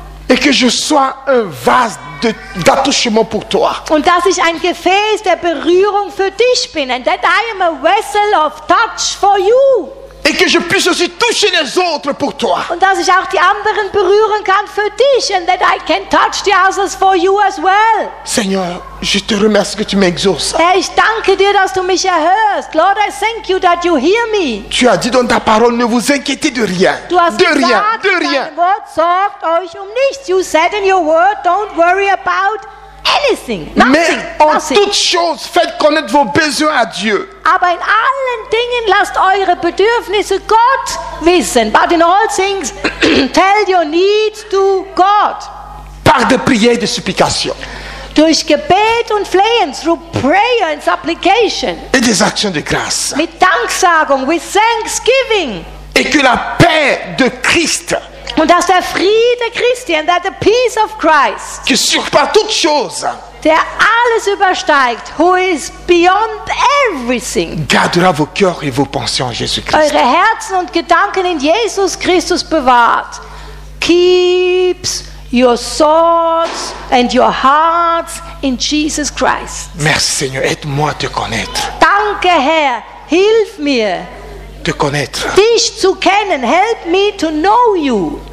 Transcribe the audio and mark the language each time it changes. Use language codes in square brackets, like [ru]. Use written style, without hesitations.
[fr] Et que je sois un vase d'attouchement pour toi. [de] Und dass ich ein Gefäß der Berührung für dich bin. [en] And that I am a vessel of touch for you. [fr] Et que je puisse aussi toucher les autres pour toi. [de] Und dass ich auch die anderen berühren kann für dich. [en] And that I can touch the others for you as well. [fr] Seigneur, je te remercie que tu m'exauces. [de] Herr, ich danke dir, dass du mich erhörst. [en] Lord, I thank you that you hear me. [fr] Tu as dit dans ta parole, ne vous inquiétez de rien. [de] Du hast [fr] de [de] gesagt, [fr] rien, de rien. [de] Wort, sorgt euch nichts. [en] You said in your word, don't worry about anything, nothing, [fr] mais en [en] nothing. [fr] Toutes choses, faites connaître vos besoins à Dieu. [de] Aber in allen Dingen lasst eure Bedürfnisse Gott wissen. [en] But in all things, tell your needs to God. [fr] Par de prières et de supplications. [de] Durch Gebet und Flehen, [en] through prayer and supplication. [fr] Et des actions de grâce. [de] Mit Danksagung, [en] with thanksgiving. [fr] Et que la paix de Christ. [de] Und dass der Friede Christi, [en] and that the peace of Christ, [fr] qui surpasse toute chose, [de] der alles übersteigt, [en] who is beyond everything, [fr] gardera vos cœurs et vos pensées en Jésus Christ. [de] Eure Herzen und Gedanken in Jesus Christus bewahrt. [en] Keeps your thoughts and your hearts in Jesus Christ. [fr] Merci Seigneur, aide-moi te connaître. [de] Danke Herr, hilf mir. [fr] De connaître. [de] Dich zu kennen, [en] help me to know you.